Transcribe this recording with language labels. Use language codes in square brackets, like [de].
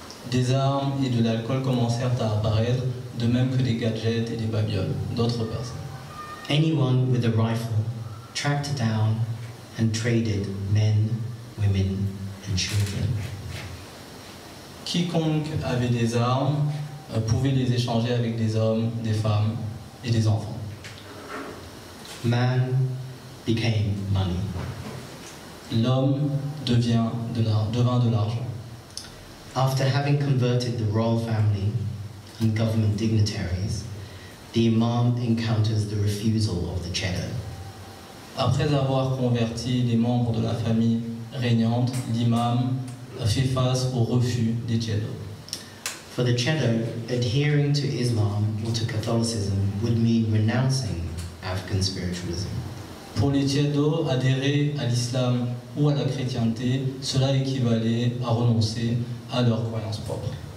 [fr] Des armes et de l'alcool commencèrent à apparaître, de même que des gadgets et des babioles d'autres personnes. [en] Anyone with a rifle tracked down and traded men, women and children. [fr] Quiconque avait des armes pouvait les échanger avec des hommes, des femmes et des enfants. [en] Man became money. [fr] L'homme devint de l'argent. [en] After having converted the royal family and government dignitaries, the imam encounters the refusal of the cheddar. [fr] Après avoir converti les membres de la famille régnante, l'imam fait face au refus des cheddar. [en] For the cheddar, adhering to Islam or to Catholicism would mean renouncing African spiritualism. [fr] Pour les cheddar, adhérer à l'islam ou à la chrétienté, cela équivalait à renoncer à leur croyance propre.